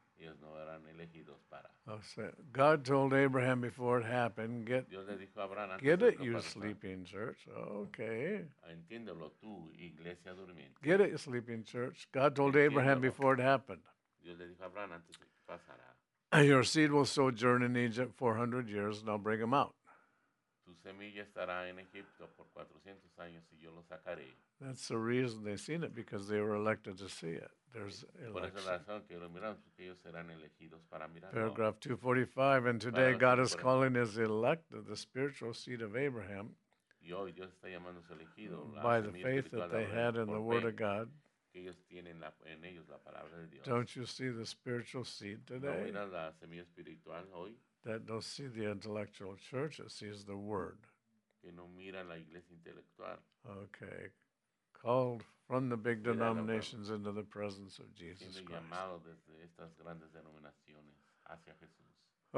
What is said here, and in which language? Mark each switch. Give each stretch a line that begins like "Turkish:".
Spanish: Ellos no eran elegidos para.
English: Oh, so God told Abraham before it happened, get,
Spanish: Dios le dijo a Abraham antes
English: get
Spanish: de
English: it, you sleeping church. Okay.
Spanish: Entiéndelo tú, iglesia durmiente.
English: Get it, you sleeping church. God told
Spanish: Entiéndelo.
English: Abraham before it happened.
Spanish: Dios le dijo a Abraham antes de que pasara.
English: Your seed will sojourn in Egypt 400 years, and I'll bring them out.
Spanish: Tu semilla estará en Egipto por 400 años, y yo lo sacaré.
English: That's the reason they seen it, because they were elected to see it. There's election.
Spanish: Por esa razón que lo miraron, porque ellos serán elegidos para mirarlo.
English: Paragraph 245, and today God is calling his elect, the spiritual seed of Abraham,
Spanish: y hoy Dios está llamando su elegido,
English: by the faith that they had in the word of God.
Spanish: Ellos tienen la, en ellos la palabra de Dios.
English: Don't you see the spiritual seed today?
Spanish: ¿No miras la semilla espiritual hoy?
English: That don't see the intellectual church, it sees the word.
Spanish: Que no mira la iglesia intelectual.
English: Okay. Called from the big denominations into the presence of Jesus Christ.
Spanish: Llamado desde estas grandes denominaciones hacia Jesús.